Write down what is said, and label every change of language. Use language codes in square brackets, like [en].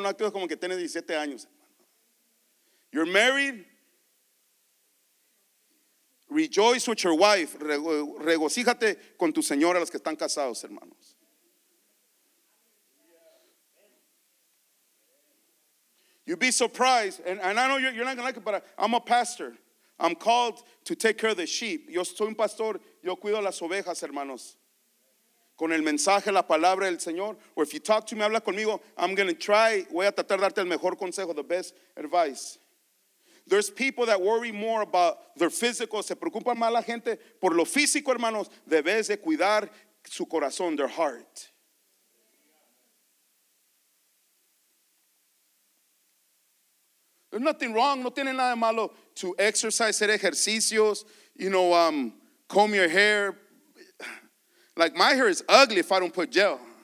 [es] No actúes como que tienes 17 años. [en] You're married. Rejoice with your wife. [es] Regocíjate con tu señora, los que están casados, hermanos. [en] You'd be surprised, and I know you're not going to like it, but I'm a pastor. I'm called to take care of the sheep. [es] Yo soy un pastor, yo cuido las ovejas, hermanos. Con el mensaje, la palabra del Señor. [en] Or if you talk to me, [es] habla conmigo, [en] I'm going to try, [es] voy a tratar de darte el mejor consejo, [en] the best advice. There's people that worry more about their physical, [es] se preocupa más la gente por lo físico, hermanos, debes de cuidar su corazón, [en] their heart. There's nothing wrong. [es] No tiene nada malo [en] to exercise, [es] hacer ejercicios, [en] you know, comb your hair. Like, my hair is ugly if I don't put gel.